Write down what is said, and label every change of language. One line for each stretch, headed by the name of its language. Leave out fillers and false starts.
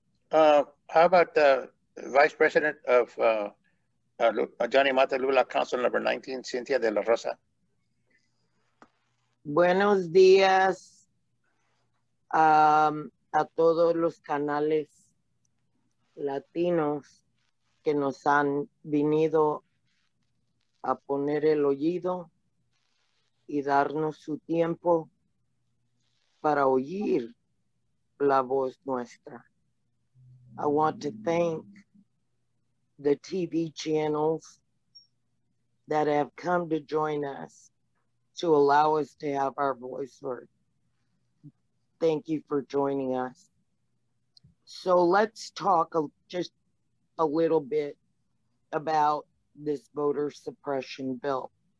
English: How about the Vice President of Johnny Mata Lula, Council Number 19, Cynthia de la Rosa?
Spanish: Buenos días a todos los canales latinos que nos han venido a poner el oído y darnos su tiempo para oír la voz nuestra.
English: I want to thank the TV channels that have come to join us to allow us to have our voice heard. Thank you for joining us. So let's talk just a little bit about this voter suppression bill.